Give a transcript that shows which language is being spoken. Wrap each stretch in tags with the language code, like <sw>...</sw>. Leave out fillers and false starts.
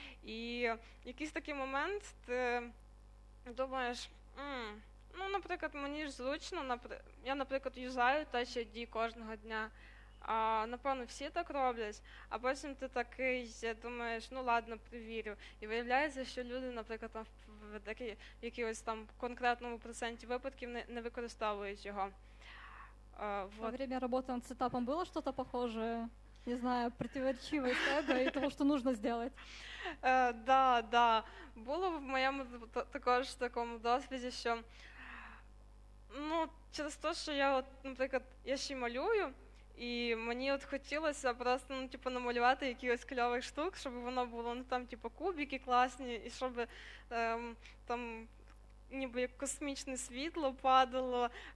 <uk>І якийсь такий момент ти думаєш, ну, наприклад, мені ж зручно, я, наприклад, юзаю Touch ID кожного дня, а, напевно, всі так роблять, а потім ти такий думаєш, ну, ладно, перевірю. І виявляється, що люди, наприклад, там, в якійсь там конкретному проценті випадків не використовують його.</uk> <ru>Во время работы над сетапом было что-то похожее, не знаю, противоречивое с эго и того, что нужно сделать? Да, да. Было в моем</ru> <uk>також такому досвіді, що ну, через то, що я, от, наприклад, я ще й малюю, і мені от хотілося просто ну, типу, намалювати якихось кльових штук, щоб воно було ну, там, типу, кубики класні, і щоб там ніби як космічне світло падало.</uk>